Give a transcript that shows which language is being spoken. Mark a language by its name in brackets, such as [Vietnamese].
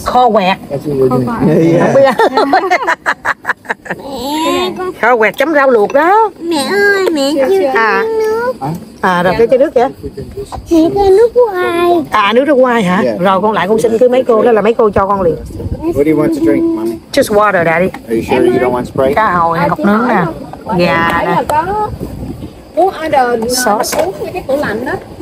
[Vietnamese] Kho quẹt. [English] Yeah. [Vietnamese] Mẹ. Kho quẹt chấm rau luộc đó. Mẹ ơi, mẹ chưa à. Nước. À, rồi cái nước kìa. Mẹ cái nước của ai? À, nước của ai hả? Yeah. Rồi con lại con xin cái mấy cô, đó là mấy cô cho con liền. [English] What do you want to drink, mommy? Just water, daddy. Are you sure you don't want Sprite? [Vietnamese] Cá hồi, cọc nướng nè. Gà nè. Muốn order sauce. Cái tủ lạnh đó.